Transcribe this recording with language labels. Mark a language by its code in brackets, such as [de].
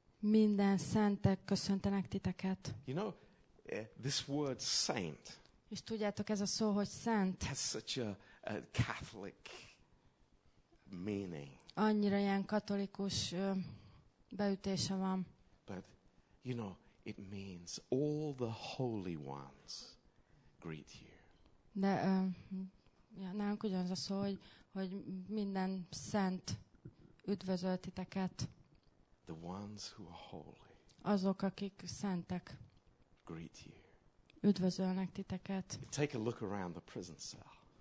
[hu] Minden szentek köszöntenek titeket. [en] You know, this word saint. [hu] És tudjátok ez a szó, hogy szent. [en] Has such a Catholic meaning. [hu] Annyira ilyen katolikus beütése van. [en] But, you know, it means all the holy ones greet you. [hu] De nálunk ugyanaz a szó, hogy minden szent üdvözöl titeket. [en] The ones who are holy. [hu] Azok, akik szentek. [en] Greet you. [hu] Üdvözölnek titeket. [en] Take a look around the prison cell.